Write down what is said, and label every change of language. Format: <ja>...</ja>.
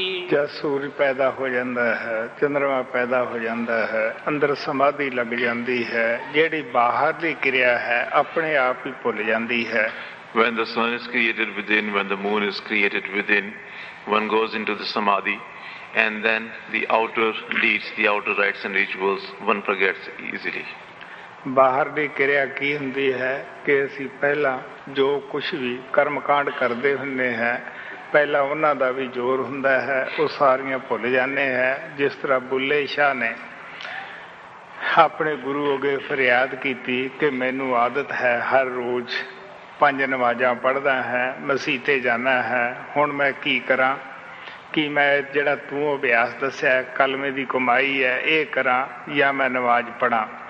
<hi>जब सूर्य पैदा हो जाता है, चंद्रमा पैदा हो जाता है, अंदर समाधि लग जाती है, जेड़ी बाहर की क्रिया है अपने आप ही भूल जाती है।</hi> <en>When the sun is created within, when the moon is created within, one goes into the samadhi, and then the outer deeds, the outer rites and rituals, one forgets easily.</en> <pa>ਬਾਹਰ ਦੀ ਕਿਰਿਆ ਕੀ ਹੁੰਦੀ ਹੈ ਕਿ ਅਸੀਂ ਪਹਿਲਾਂ ਜੋ ਕੁਛ ਵੀ ਕਰਮ ਕਾਂਡ ਕਰਦੇ ਹੁੰਦੇ ਹੈ ਪਹਿਲਾਂ ਉਹਨਾਂ ਦਾ ਵੀ ਜ਼ੋਰ ਹੁੰਦਾ ਹੈ ਉਹ ਸਾਰੀਆਂ ਭੁੱਲ ਜਾਂਦੇ ਹੈ। ਜਿਸ ਤਰ੍ਹਾਂ ਬੁੱਲੇ ਸ਼ਾਹ ਨੇ ਆਪਣੇ ਗੁਰੂ ਅੱਗੇ ਫਰਿਆਦ ਕੀਤੀ ਕਿ ਮੈਨੂੰ ਆਦਤ ਹੈ ਹਰ ਰੋਜ਼ 5 ਨਮਾਜ਼ਾਂ ਪੜ੍ਹਦਾ ਹੈ ਮਸੀਤੇ ਜਾਣਾ ਹੈ ਹੁਣ ਮੈਂ ਕੀ ਕਰਾਂ ਕਿ ਮੈਂ ਜਿਹੜਾ ਤੂੰ ਅਭਿਆਸ ਦੱਸਿਆ ਕਲਮੇ ਦੀ ਕਮਾਈ ਹੈ ਇਹ ਕਰਾਂ ਜਾਂ ਮੈਂ ਨਮਾਜ਼ ਪੜ੍ਹਾਂ।</pa>